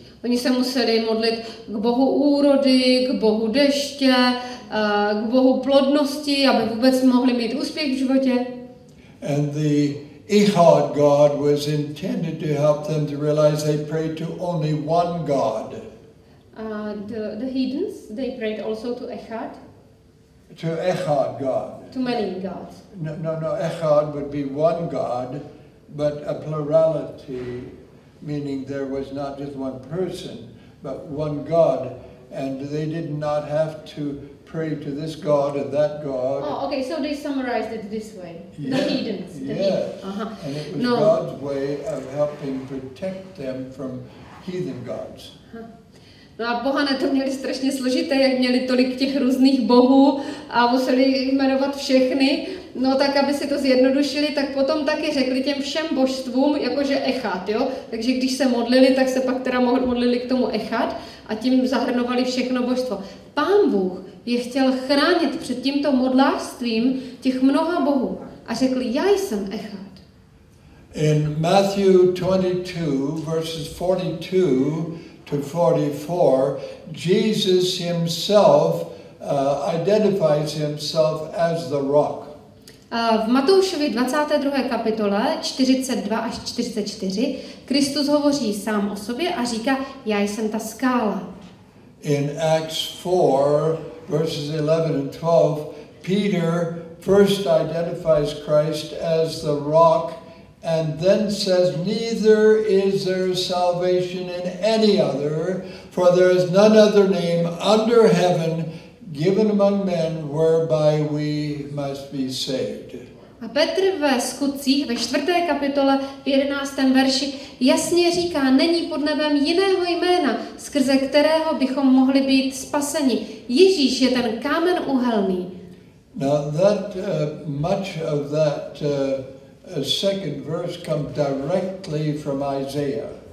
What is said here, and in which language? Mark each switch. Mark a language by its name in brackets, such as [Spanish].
[Czech] Oni se museli modlit k bohu úrody, k bohu deště, k bohu plodnosti, aby vůbec mohli mít úspěch v životě. [English] And the Ehad god was intended to help them to realize they prayed to only one god. The heathens, they prayed also to Ehad. To Ehad god. To many gods. No, Ehad would be one god, but a plurality, meaning there was not just one person, but one god, and they did not have to pray to this god and that god. Oh, okay, so they summarized it this way. Yes. The heathens. And it was God's way of helping protect them from heathen gods. [Czech] No a pohané to měli strašně složité, jak měli tolik těch různých bohů a museli jmenovat všechny. No tak, aby si to zjednodušili, tak potom taky řekli těm všem božstvům, jakože Echad, jo? Takže když se modlili, tak se pak teda modlili k tomu Echad a tím zahrnovali všechno božstvo. Pán Bůh je chtěl chránit před tímto modlářstvím těch mnoha bohů a řekl, já jsem Echad. [English] In Matthew 22, verses 42 to 44, Jesus himself identifies himself as the rock. [Czech] V Matoušovi 22. kapitole 42 až 44 Kristus hovoří sám o sobě a říká, já jsem ta skála. [English] In Acts 4, verses 11 and 12, Peter first identifies Christ as the rock and then says, neither is there salvation in any other, for there is none other name under heaven given among men whereby we must be saved. [Czech] A Petr ve Skutcích ve 4. kapitole v 11. verši jasně říká, není pod nebem jiného jména, skrze kterého bychom mohli být spaseni. Ježíš je ten kámen úhelný. [English] Now that much of that second verse comes directly from Isaiah.